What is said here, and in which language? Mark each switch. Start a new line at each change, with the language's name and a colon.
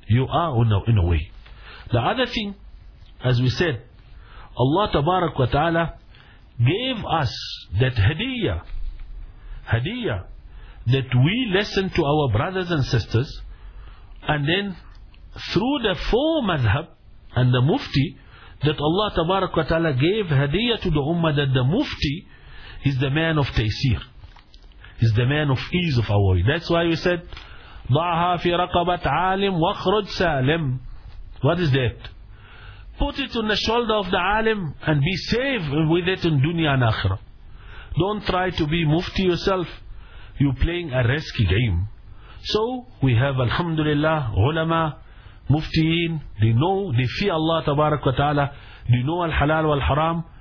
English: You are in a way. The other thing, as we said, Allah Tabarak wa Ta'ala gave us that hadiyah that we listen to our brothers and sisters, and then through the four madhab and the mufti, that Allah Tabarak wa Ta'ala gave hadiyah to the ummah, that the mufti is the man of taysir, is the man of ease of our way. That's why we said
Arabic: ضَعْهَا فِي رَقَبَةْ عَالِمْ وَخْرُجْ سَالِمْ.
English: What is that? Put it on the shoulder of the alim and be safe with it in dunya and akhirah. Don't try to be mufti yourself. You're playing a risky game. So we have alhamdulillah ulama, muftiin. They know, they fear Allah tabarak wa ta'ala. They know al halal wal haram.